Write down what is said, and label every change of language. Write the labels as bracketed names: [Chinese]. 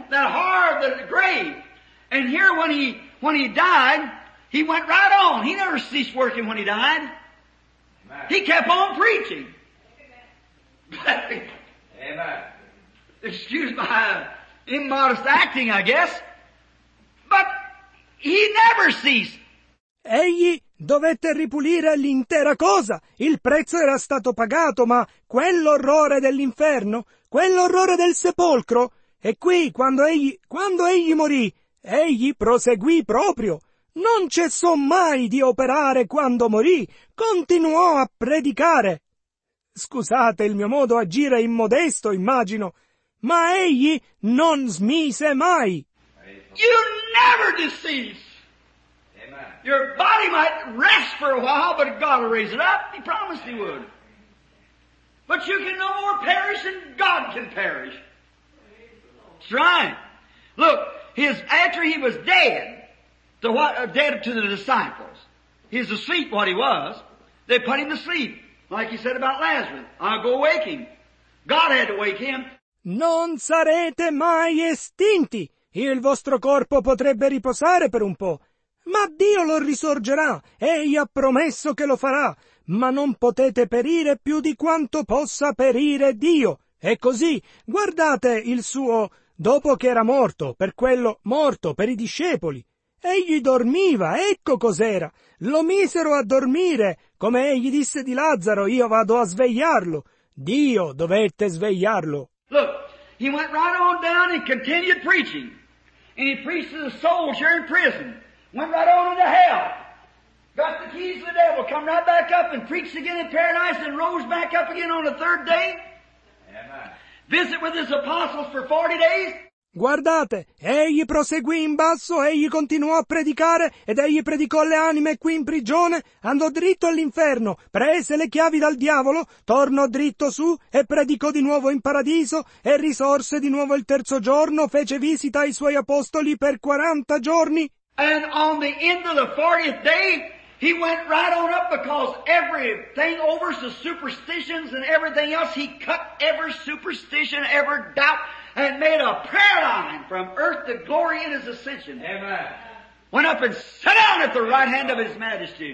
[English] That horror of the grave. And here when he died, he went right on. He never ceased working when he died. Amen. He kept on preaching. Amen. Excuse my immodest acting, I guess. But he never ceased. [Italian] Egli dovette ripulire l'intera cosa. Il prezzo era stato pagato, ma quell'orrore dell'inferno, quell'orrore del sepolcro, e qui, quando egli morì, egli proseguì proprio. Non cessò mai di operare quando morì. Continuò a predicare. Scusate il mio modo agire immodesto, immagino. Ma egli non smise mai. [English] You never decease. Amen. Your body might rest for a while, but God will raise it up. He promised he would. But you can no more perish than God can perish. That's right. Look, after he was dead to the disciples, he was asleep what he was, they put him to sleep, like he said about Lazarus, I'll go wake him. God had to wake him. [Italian] Non sarete mai estinti, il vostro corpo potrebbe riposare per un po', ma Dio lo risorgerà, egli ha promesso che lo farà, ma non potete perire più di quanto possa perire Dio. È così, guardate il suo... Dopo che era morto, per quello morto, per i discepoli, egli dormiva, ecco cos'era. Lo misero a dormire, come egli disse di Lazzaro, io vado a svegliarlo. Dio dovette svegliarlo. [English] Look, he went right on down and continued preaching. And he preached to the souls here in prison. Went right on into hell. Got the keys of the devil, come right back up and preached again in paradise and rose back up again on the third day. Visit with his apostles for 40 days. [Italian] Guardate, egli proseguì in basso, egli continuò a predicare, ed egli predicò le anime qui in prigione, andò dritto all'inferno, prese le chiavi dal diavolo, tornò dritto su, e predicò di nuovo in paradiso, e risorse di nuovo il terzo giorno, fece visita ai suoi apostoli per 40 giorni. [English] And on the end of the 40th day, he went right on up because everything over the superstitions and everything else, he cut every superstition, every doubt, and made a prayer line from earth to glory in his ascension. Amen. Went up and sat down at the right hand of his majesty.